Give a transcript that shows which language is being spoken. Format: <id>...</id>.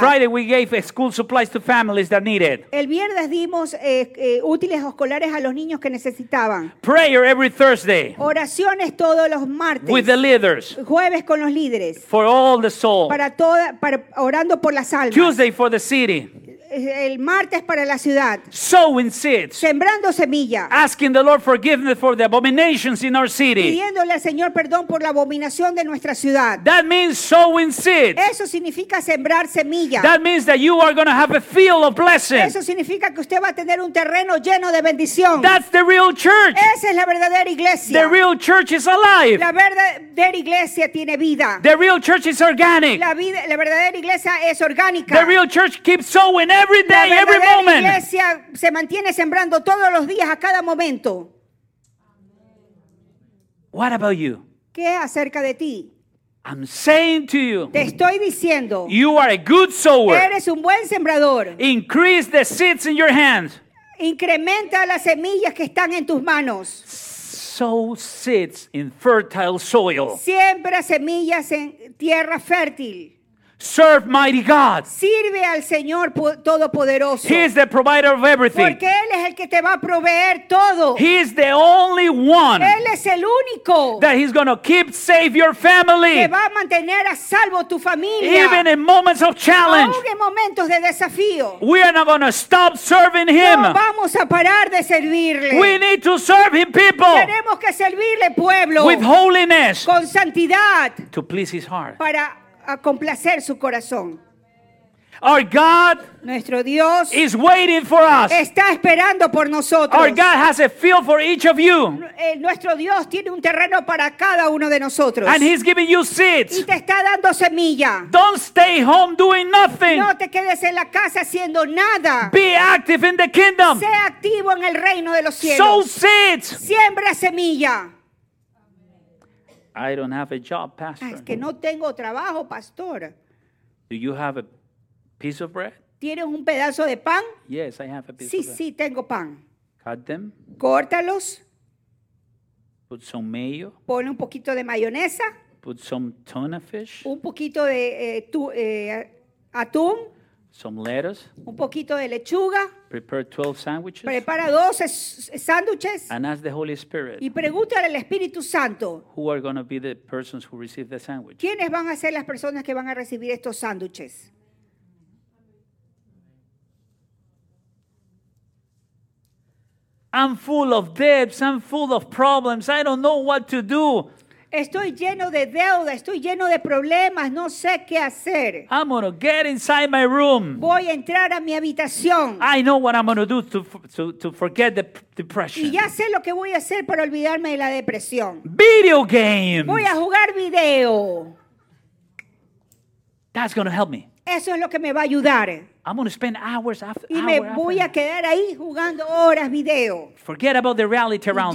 <en>Friday we gave school supplies to families that needed.</en> <es>El viernes dimos útiles escolares a los niños que necesitaban.</es> <en>Prayer every Thursday.</en> <es>Oraciones todos los martes.</es> <en>With the leaders.</en> <es>Jueves con los líderes.</es> <en>For all the souls.</en> <es>Para orando por las almas.</es> <en>Tuesday for the city.</en> <es>El martes para la ciudad.</es> <en>Sowing seeds.</en> <es>Sembrando semilla.</es> <en>Asking the Lord forgiveness for the abominations in our city.</en> <es>Pidiéndole al Señor perdón por la abominación de nuestra ciudad.</es> <en>That means sowing seeds.</en> <es>Eso significa sembrar semilla.</es> <en>That means that you are going to have a field of blessing.</en> <es>Eso significa que usted va a tener un terreno lleno de bendición.</es> <en>That's the real church.</en> <es>Esa es la verdadera iglesia.</es> <en>The real church is alive.</en> <es>La verdadera iglesia tiene vida.</es> <en>The real church is organic.</en> <es>La verdadera iglesia es orgánica.</es> <en>The real church keeps sowing every day, every moment.</en> <es>La iglesia se mantiene sembrando todos los días a cada momento.</es> <en>What about you?</en> <es>¿Qué acerca de ti?</es> <en>I'm saying to you,</en> <es>te estoy diciendo,</es> <en>you are a good sower.</en> <es>Eres un buen sembrador.</es> <en>Increase the seeds in your hands.</en> <es>Incrementa las semillas que están en tus manos.</es> <en>Sow seeds in fertile soil.</en> <es>Siembra semillas en tierra fértil.</es> <en>Serve mighty God.</en> <es>Sirve al Señor Todopoderoso.</es> <en>He is the provider of everything.</en> <es>Porque Él es el que te va a proveer todo.</es> <en>He is the only one.</en> <es>Él es el único.</es> <en>That he's going to keep safe your family.</en> <es>Que va a mantener a salvo tu familia.</es> <en>Even in moments of challenge.</en> <es>Aún en momentos de desafío.</es> <en>We are not going to stop serving him.</en> <es>No vamos a parar de servirle.</es> <en>We need to serve him, people.</en> <es>Tenemos que servirle, pueblo.</es> <en>With holiness.</en> <es>Con santidad.</es> <en>To please his heart.</en> <es>Para a complacer su corazón.</es> <en>Our God,</en> <es>nuestro Dios,</es> <en>is waiting for us.</en> <es>Está esperando por nosotros.</es> <en>Our God has a field for each of you.</en> <es>Nuestro Dios tiene un terreno para cada uno de nosotros.</es> <en>And he's giving you seeds.</en> <es>Y te está dando semilla.</es> <en>Don't stay home doing nothing.</en> <es>No te quedes en la casa haciendo nada.</es> <en>Be active in the kingdom.</en> <es>Sé activo en el reino de los cielos.</es> <en>Sow seeds.</en> <es>Siembra semilla.</es> <en>I don't have a job, pastor.</en> <es>Es que no tengo trabajo, pastor.</es> <en>Do you have a piece of bread?</en> <es>¿Tienes un pedazo de pan?</es> <en>Yes, I have a piece</en> <es>sí,</es> <en>of bread.</en> <es>Sí, sí, tengo pan.</es> <en>Cut them.</en> <es>Córtalos.</es> <en>Put some mayo.</en> <es>Pon un poquito de mayonesa.</es> <en>Put some tuna fish.</en> <es>Un poquito de atún.</es> <en>Some lettuce.</en> <es>Un poquito de lechuga.</es> <en>Prepare 12 sandwiches.</en> <es>Prepara 12 sándwiches.</es> <en>And ask the Holy Spirit.</en> <es>Y pregúntale al Espíritu Santo.</es> <en>Who are going to be the persons who receive the sandwich?</en> <es>¿Quiénes van a ser las personas que van a recibir estos sándwiches?</es> <en>I'm full of debts. I'm full of problems. I don't know what to do.</en> <es>Estoy lleno de deuda, estoy lleno de problemas, no sé qué hacer.</es> <en>I'm gonna get inside my room.</en> <es>Voy a entrar a mi habitación.</es> <en>I know what I'm gonna do to forget the depression.</en> <es>Y ya sé lo que voy a hacer para olvidarme de la depresión.</es> <en>Video games.</en> <es>Voy a jugar video.</es> <en>That's gonna help me.</en> <es>Eso es lo que me va a ayudar.</es> <en>I'm gonna spend hours after.</en> <es>Y me voy a quedar ahí jugando horas video.</es> <en>Forget about the reality around me.</en>